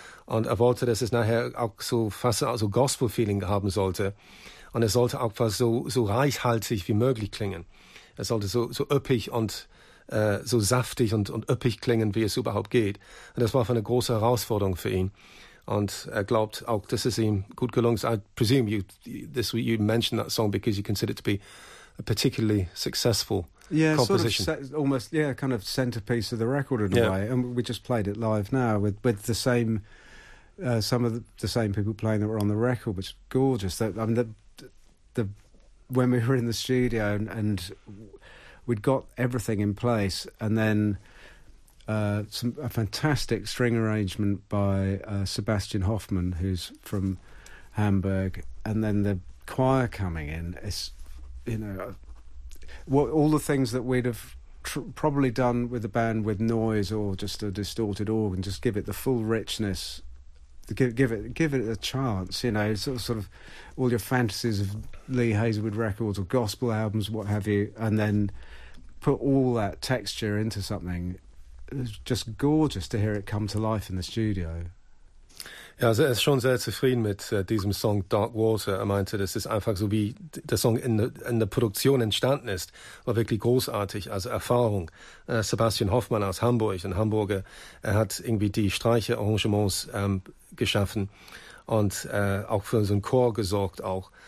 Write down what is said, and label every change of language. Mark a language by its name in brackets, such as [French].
[German] Und er wollte, dass es nachher auch so fast so Gospel-Feeling haben sollte. Und es sollte auch fast so reichhaltig wie möglich klingen. Es sollte so üppig und so saftig und üppig klingen, wie es überhaupt geht. Und das war für eine große Herausforderung für ihn. Und er glaubt auch, dass es ihm gut gelungen ist. [English] I presume you mentioned that song because you consider it to be a particularly successful composition. Yeah, kind of centerpiece of the record in a way. And we just played it live now with the same... some of the same people playing that were on the record, which is gorgeous. When we were in the studio and we'd got everything in place, and then a fantastic string arrangement by Sebastian Hoffman, who's from Hamburg, and then the choir coming in. It's all the things that we'd have probably done with a band with noise or just a distorted organ, just give it the full richness, give it a chance, you know, sort of all your fantasies of Lee Hazelwood records or gospel albums, what have you, and then put all that texture into something. It's just gorgeous to hear it come to life in the studio. [German] Ja, er ist schon sehr zufrieden mit diesem Song Dark Water. Er meinte, das ist einfach so, wie der Song in der Produktion entstanden ist. War wirklich großartig als Erfahrung. Sebastian Hoffmann aus Hamburg, ein Hamburger, er hat irgendwie die Streicherarrangements geschaffen und auch für so einen Chor gesorgt auch.